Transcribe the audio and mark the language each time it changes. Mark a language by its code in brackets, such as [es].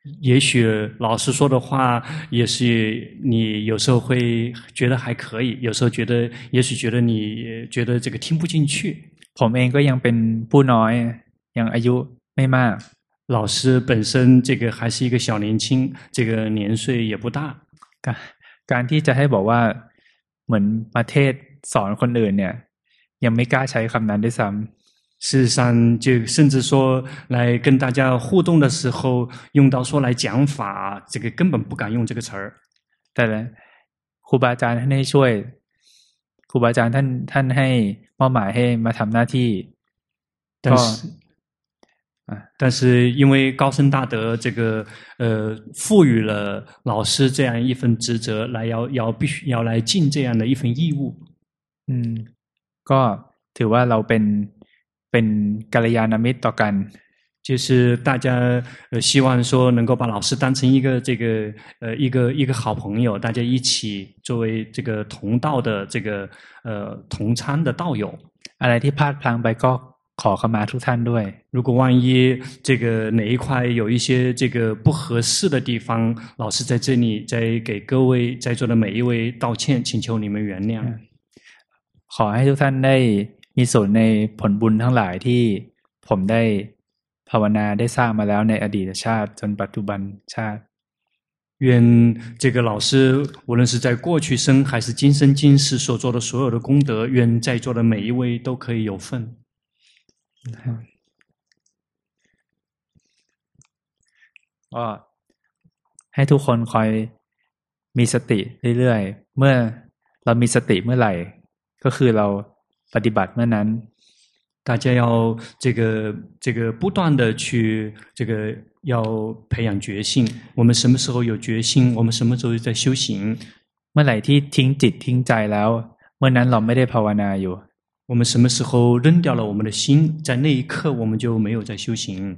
[zh] 也许老师说的话，也许你有时候会觉得还可以，有时候觉得也许觉得你觉得这个听不进去。 [th] ผมเองก็ยังเป็นผู้น้อยยังอายุไม่มาก [zh] 老师本身这个还是一个小年轻，这个年岁也不大。 [th] การที่จะให้บอกว่าเหมือนประเทศสอนคนอื่นเนี่ยยังไม่กล้าใช้คำนั้นด้วยซ้ำ。 [zh] 事实上，就甚至说来跟大家互动的时候，用到说来讲法，这个根本不敢用这个词儿。 [th] แต่ครูบาอาจารย์ท่านให้ช่วยครูบาอาจารย์ท่านให้มอบหมายให้มาทำหน้าที่ [zh] ก็但是因为高僧大德这个赋予了老师这样一份职责来要必须要来尽这样的一份义务 [th] ก็ถือว่าเราเป็นกัลยาณมิตรต่อกัน [zh] 就是大家希望说能够把老师当成一个这个一个好朋友大家一起作为这个同道的这个同参的道友 [th] อะไรที่พลาดพลั้งไปก็ขอเข้ามาทุกท่านด้วย [zh] 如果万一这个哪一块有一些这个不合适的地方老师在这里再给各位在座的每一位道歉请求你们原谅 [th] ขอให้ทุกท่านได้มีส่วนในผลบุญทั้งหลายที่ผมได้ภาวนาได้สร้างมาแล้วในอดีตชาติจนปัจจุบันชาติ [zh] 愿这个老师无论是在过去生还是今生今世所做的所有的功德愿在座的每一位都可以有份 [th] ก็ให้ทุกคนคอยมีสติเรื่อยๆเมื่อเรามีสติเมื่อไหร่ก็คือเราปฏิบัติเมื่อนั้น [zh] 大家要这个不断的去这个要培养决心我们什么时候有决心我们什么时候在修行 [th] เมื่อไหร่ที่ทิ้งจิตทิ้งใจแล้วเมื่อนั้นเราไม่ได้ภาวนาอยู่ [zh] 我们什么时候扔掉了我们的心在那一刻我们就没有在修行